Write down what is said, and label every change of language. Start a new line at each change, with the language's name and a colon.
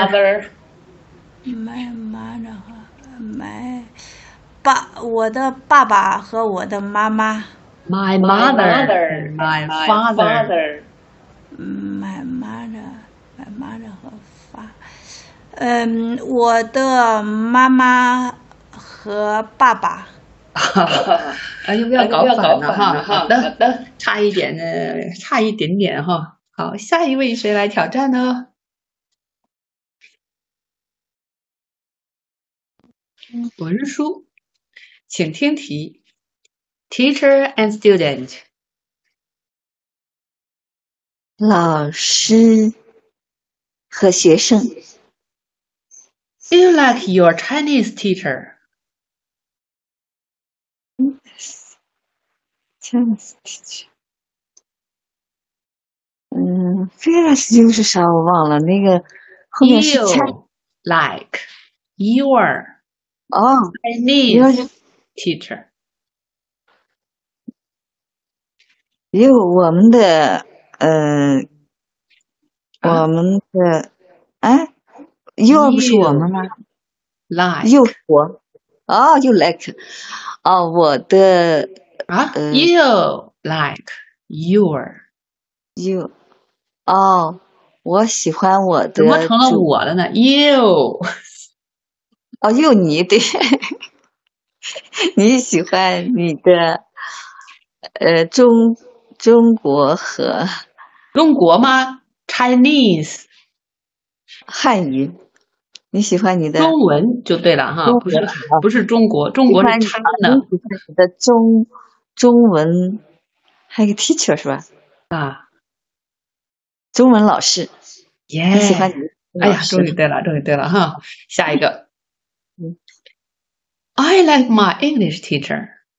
English: My mother and my
Chinese: 爸，我的爸爸和我的妈妈。
English: My mother and my father. My mother, my mother
Chinese: 和爸。我的妈妈和爸爸。哎呦，不要搞反了哈！好的，差一点呢，差一点点哈。好，下一位谁来挑战呢？文书，请听题。
English: Teacher and student.
Chinese: 老师和学生。
English: Do you like your Chinese teacher? Yes, Chinese teacher.
Chinese: Feels 就是啥我忘了，那个后面是
English: You like your Chinese teacher.
Chinese: You 我们的我们的You 不是我们吗？
English: Like You
Chinese: 我
English: You like
Chinese: 我的
English: You like your
Chinese: You我喜欢我的。怎么成了我的呢 ？You，又你对，你喜欢你的中国和中国吗 ？Chinese，汉语，你喜欢你的中文就对了哈，不是中国，中国是 China 的。你喜欢你的中文，还有个 teacher 是吧？中文老师，耶！喜欢你，哎呀，终于对了，终于对了哈！下一个，
English: I like my English teacher。